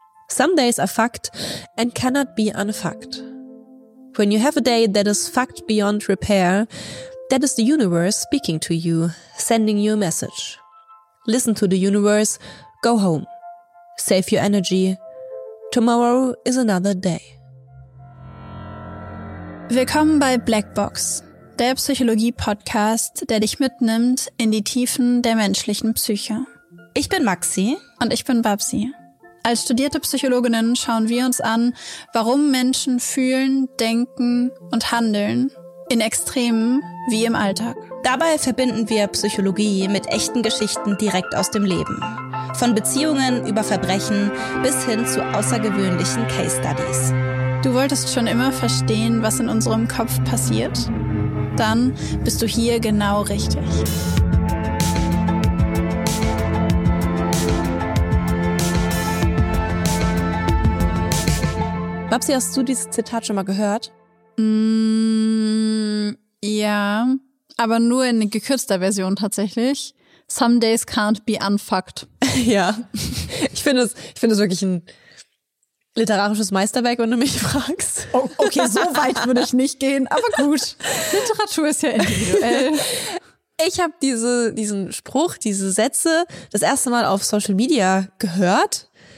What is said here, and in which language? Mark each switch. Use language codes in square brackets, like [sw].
[en] Some days are fucked and cannot be unfucked. When you have a day that is fucked beyond repair, that is the universe speaking to you, sending you a message. Listen to the universe, go home. Save your energy. Tomorrow is another day. [de] Willkommen bei Blackbox, der Psychologie-Podcast, der dich mitnimmt in die Tiefen der menschlichen Psyche. Ich bin Maxi. Und ich bin Babsi. Als studierte Psychologinnen schauen wir uns an, warum Menschen fühlen, denken und handeln, in Extremen wie im Alltag. Dabei verbinden wir Psychologie mit echten Geschichten direkt aus dem Leben. Von Beziehungen über Verbrechen bis hin zu außergewöhnlichen Case Studies. Du wolltest schon immer verstehen, was in unserem Kopf passiert? Dann bist du hier genau richtig. Babsi, hast du dieses Zitat schon mal gehört? Ja, aber nur in gekürzter Version tatsächlich. [en] Some days can't be unfucked. [de] Ja, ich finde es wirklich ein literarisches Meisterwerk, wenn du mich fragst. Oh, okay, so weit würde ich nicht gehen, aber gut. Literatur ist ja individuell. Ich habe diesen Spruch, diese Sätze das erste Mal auf Social Media gehört.